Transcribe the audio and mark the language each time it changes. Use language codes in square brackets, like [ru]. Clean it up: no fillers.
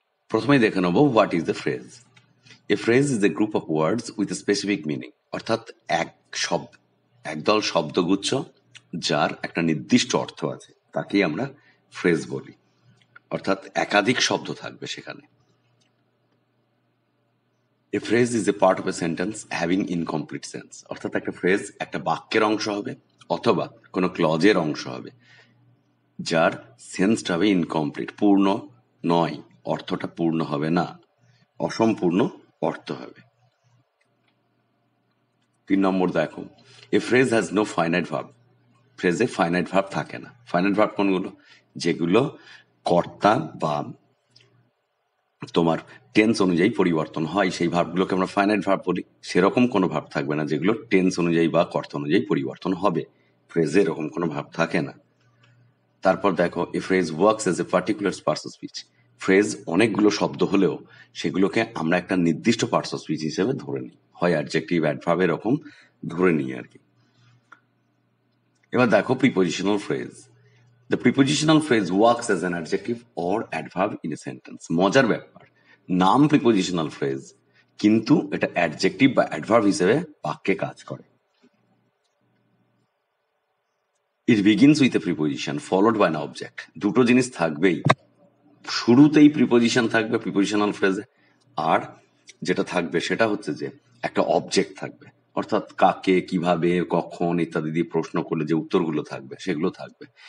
[bn] প্রথমেই দেখে নেব [en] What is the phrase. A phrase is a group of words with a specific meaning, [bn] অর্থাৎ এক শব্দ, একদল শব্দগুচ্ছ যার একটা নির্দিষ্ট অর্থ আছে তাকেই আমরা ফ্রেজ বলি। অর্থাৎ একাধিক শব্দ থাকবে সেখানে। [en] A phrase is a part of a sentence having incomplete sense. [bn] অর্থাৎ একটা ফ্রেজ একটা বাক্যের অংশ হবে অথবা কোনো ক্লজের অংশ হবে যার সেন্সটা হবে ইনকমপ্লিট, পূর্ণ নয়, অর্থটা পূর্ণ হবে না, অসম্পূর্ণ অর্থ হবে। তিন নম্বর দেখো, [en] A phrase has no finite verb. [bn] ফ্রেজে finite verb থাকে না। ফাইনাইট ভার্ব কোনগুলো? যেগুলো কর্তা বা তোমার টেন্স অনুযায়ী পরিবর্তন হয় সেই ভাবগুলোকে আমরা ফাইনাইট ভাব বলি। সেরকম কোনো ভাব থাকবে না যেগুলো টেন্স অনুযায়ী বা কর্ত অনুযায়ী পরিবর্তন হবে। ফ্রেজে এরকম কোনো ভাব থাকে না। তারপর দেখো, [en] A phrase works as a particular parts of speech. [bn] Phrase অনেকগুলো শব্দ হলেও সেগুলোকে আমরা একটা নির্দিষ্ট পার্স অফ স্পিচ হিসেবে ধরে নিই, হয় অ্যাডজেক্টিভ অ্যাডভার্ব এরকম ধরে নিই আর কি। এবার দেখো prepositional phrase. [en] The prepositional phrase works as an adjective or adverb in a sentence. [bn] মজার ব্যাপার, নাম প্রিপজিশনাল ফ্রেজ কিন্তু এটা অ্যাডজেক্টিভ বা অ্যাডভার্ব হিসেবে বাক্যে কাজ করে। [en] It begins with a preposition followed by an object. [bn] দুটো জিনিস থাকবেই, শুরুতেই প্রিপজিশন থাকবে প্রিপজিশনাল ফ্রেজে, আর যেটা থাকবে সেটা হচ্ছে যে একটা অবজেক্ট থাকবে, অর্থাৎ কাকে কিভাবে কখন ইত্যাদি দিয়ে প্রশ্ন করলে যে উত্তরগুলো থাকবে সেগুলো থাকবে।